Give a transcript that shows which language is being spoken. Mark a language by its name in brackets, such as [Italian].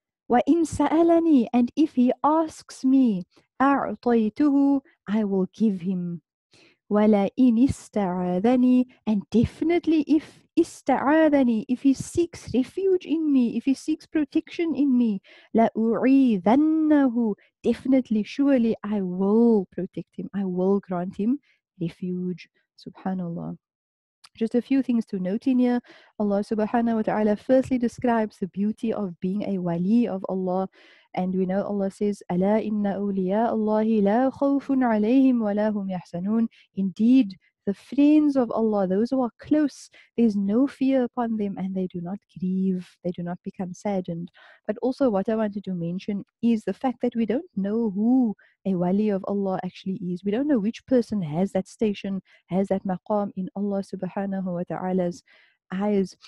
[Arabic] وَإِنْ سَأَلَنِي, [English] and if he asks me, [Arabic] أَعْطَيْتُهُ, [English] I will give him, [Arabic] وَلَئِنِ اسْتَعَاذَنِي, [English] and definitely if [Arabic] اسْتَعَاذَنِي, [English] if he seeks refuge in me, if he seeks protection in me, [Arabic] لَأُعِيذَنَّهُ, [English] definitely, surely, I will protect him, I will grant him refuge. Subhanallah. Just a few things to note in here. Allah subhanahu wa ta'ala firstly describes the beauty of being a wali of Allah. And we know Allah says, [Arabic] أَلَا إِنَّ أَوْلِيَاءَ اللَّهِ لَا خَوْفٌ عَلَيْهِمْ وَلَا هُمْ يَحْسَنُونَ. [English] Indeed, the friends of Allah, those who are close, there's no fear upon them and they do not grieve, they do not become saddened. But also what I wanted to mention is the fact that we don't know who a wali of Allah actually is. We don't know which person has that station, has that maqam in Allah subhanahu wa ta'ala's eyes.